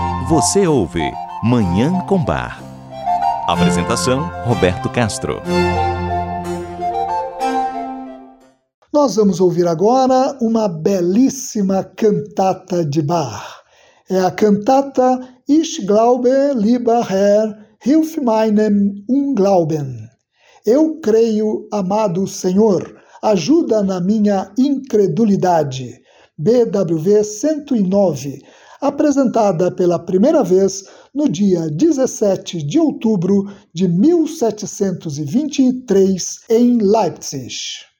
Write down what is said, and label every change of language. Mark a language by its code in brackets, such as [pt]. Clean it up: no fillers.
[pt] Você ouve Manhã com Bar. Apresentação, Roberto Castro. Nós vamos ouvir agora uma belíssima cantata de Bar. É a cantata [de] Ich glaube, lieber Herr, hilf meinem Unglauben. [pt] Eu creio, amado Senhor, ajuda na minha incredulidade. BWV 109, apresentada pela primeira vez no dia 17 de outubro de 1723, em Leipzig.